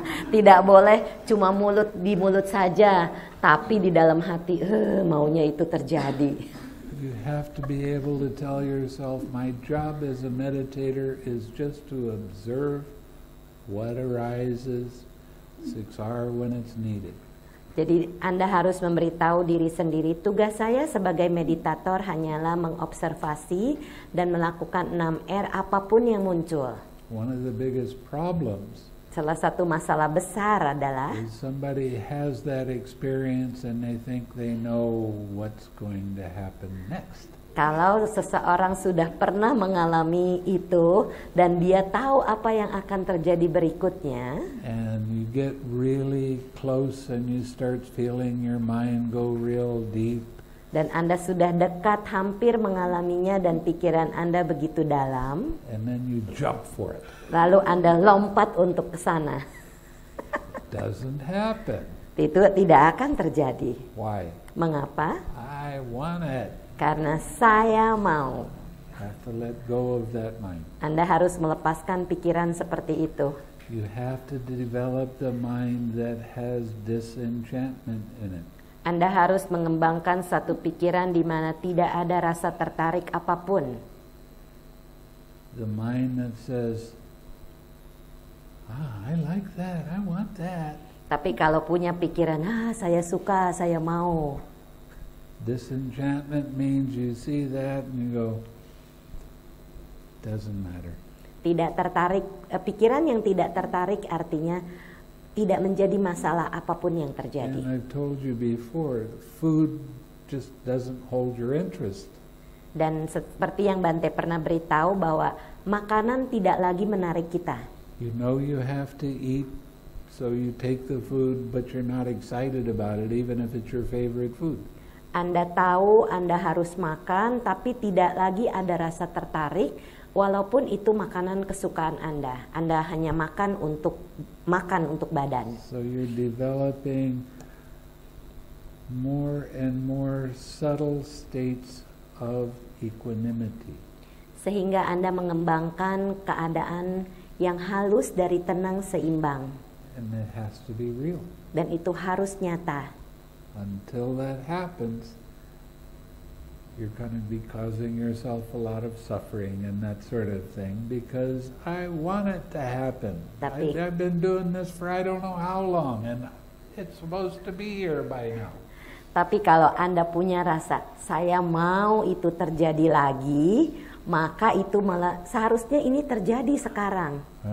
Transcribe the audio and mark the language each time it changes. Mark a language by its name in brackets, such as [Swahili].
[Indonesian] Tidak boleh cuma mulut di mulut saja, tapi di dalam hati, maunya itu terjadi. [English] You have to be able to tell yourself, my job as a meditator is just to observe what arises, siksar when it's needed. [Indonesian] Jadi Anda harus memberitahu diri sendiri, tugas saya sebagai meditator hanyalah mengobservasi dan melakukan 6R apapun yang muncul. [English] One of the biggest problems, [Indonesian] salah satu masalah besar adalah, [English] is somebody has that experience and they think they know what's going to happen next. [Indonesian] Kalau seseorang sudah pernah mengalami itu dan dia tahu apa yang akan terjadi berikutnya, [English] and you get really close and you start feeling your mind go real deep, [Indonesian] dan Anda sudah dekat hampir mengalaminya dan pikiran Anda begitu dalam, [English] and then you jump for it. [Indonesian] Lalu Anda lompat untuk ke sana. [English] Doesn't happen. [Indonesian] Itu tidak akan terjadi. [English] Why? [Indonesian] Mengapa? [English] I want it. [Indonesian] Karena saya mau. [English] Have to let go of that mind. [Indonesian] Anda harus melepaskan pikiran seperti itu. [English] You have to develop the mind that has disenchantment in it. [Indonesian] Anda harus mengembangkan satu pikiran di mana tidak ada rasa tertarik apapun. [English] The mind that says, Ah, I like that. I want that. [Indonesian] Tapi kalau punya pikiran, ah, saya suka, saya mau. [English] Disenchantment means you see that and you go, doesn't matter. [Indonesian] Tidak tertarik, pikiran yang tidak tertarik artinya tidak menjadi masalah apapun yang terjadi. [English] And I've told you before, food just doesn't hold your interest. [Indonesian] Dan seperti yang Bante pernah beritahu bahwa makanan tidak lagi menarik kita. [English] You know you have to eat, so you take the food, but you're not excited about it, even if it's your favorite food. [Indonesian] Anda tahu Anda harus makan, tapi tidak lagi ada rasa tertarik, walaupun itu makanan kesukaan Anda. Anda hanya makan untuk badan. [English] So you're developing more and more subtle states of equanimity. [Indonesian] Sehingga Anda mengembangkan keadaan yang halus dari tenang seimbang. [English] And it has to be real. [Indonesian] Dan itu harus nyata. [English] Until that happens, you're going to be causing yourself a lot of suffering and that sort of thing because I want it to happen. I've been doing this for I don't know how long and it's supposed to be here by now. [Indonesian] Tapi kalau Anda punya rasa, saya mau itu terjadi lagi, maka itu malah seharusnya ini terjadi sekarang.